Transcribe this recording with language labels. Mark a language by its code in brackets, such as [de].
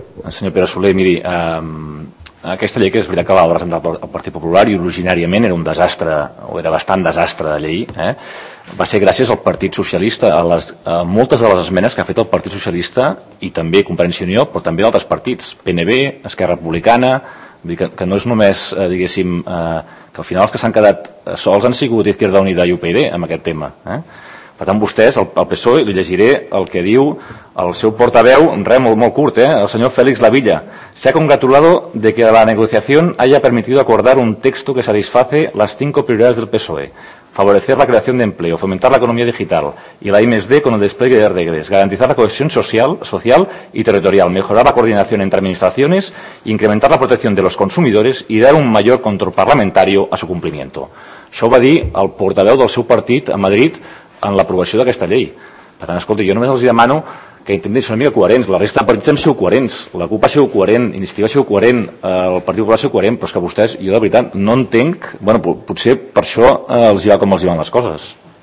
[ca] Senyor Pere Soler, miri, aquesta llei, que és veritat que l'ha presentat el Partit Popular, i originàriament era un desastre, o era bastant desastre de llei, va ser gràcies al Partit Socialista, a moltes de les esmenes que ha fet el Partit Socialista, i també Convergència i Unió, però també d'altres partits, PNB, Esquerra Republicana, vull dir que no és només, diguéssim, que al final els que s'han quedat sols han sigut Izquierda Unida i UPyD amb aquest tema. Per tant, vostès, el PSOE, li llegiré el que diu el seu portaveu, res molt, molt curt, el senyor Félix Lavilla: [es] se ha congratulado de que la negociación haya permitido acordar un texto que satisface las 5 prioridades del PSOE: favorecer la creación de empleo, fomentar la economía digital y la IMSD con el despliegue de redes, garantizar la cohesión social y territorial, mejorar la coordinación entre administraciones, incrementar la protección de los consumidores y dar un mayor control parlamentario a su cumplimiento. [ca] Això ho va dir el portaveu del seu partit a Madrid en l'aprovació d'aquesta llei. Per tant, escolta, jo només els demano que intentin ser una mica coherents. La resta de partits han sigut coherents, la CUP ha sigut coherent, Iniciativa ha sigut coherent, el Partit Popular ha sigut coherent, però és que vostès, jo de veritat, no entenc, potser per això els hi va com els hi van les coses.